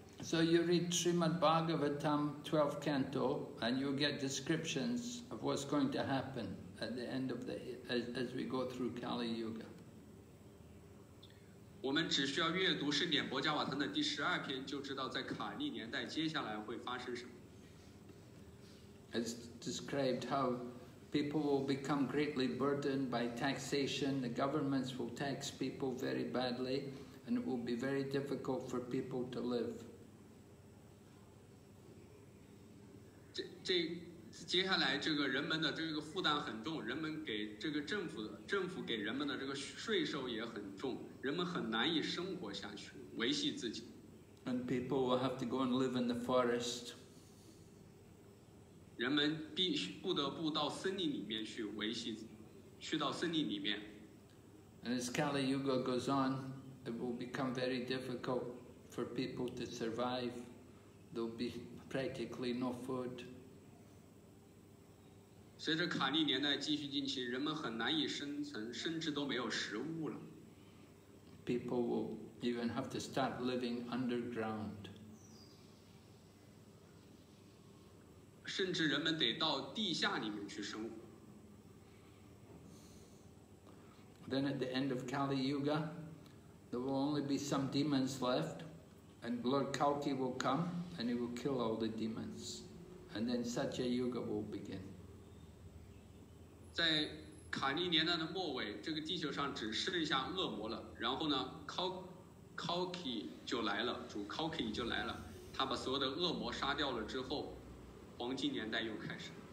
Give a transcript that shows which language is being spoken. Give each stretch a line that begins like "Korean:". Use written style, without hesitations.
English: So you read Srimad Bhagavatam 12th canto and you get descriptions of what's going to happen at the end of the, as we go through Kali Yuga.
Chinese: 我们只需要阅读圣典博加瓦坦的第十二篇，就知道在卡利年代接下来会发生什么。
English: It's described how people will become greatly burdened by taxation. The governments will tax people very badly, and it will be very difficult for people to live.
Chinese: 接下来这个人们的这个负担很重，人们给这个政府的政府给人们的这个税收也很重，人们很难以生活下去，维系自己。
English: And people will have to go and live in the forest.
Chinese: 人们必须不得不到森林里面去维系，去到森林里面。
English: And as Kali Yuga goes on, it will become very difficult for people to survive. There will be practically no food.
Chinese: 随着卡利年代继续进行，人们很难以生存，甚至都没有食物了。
English: People will even have to start living underground.
Chinese: 甚至人们得到地下里面去生活。
English: Then at the end of Kali Yuga, there will only be some demons left, and Lord Kalki will come, and he will kill all the demons, and then Satya Yuga will begin.
Chinese: 在卡利年代的末尾，这个地球上只剩下恶魔了。然后呢 ，Kalki 就来了，主 Kalki 就来了。他把所有的恶魔杀掉了之后，黄金年代又开始。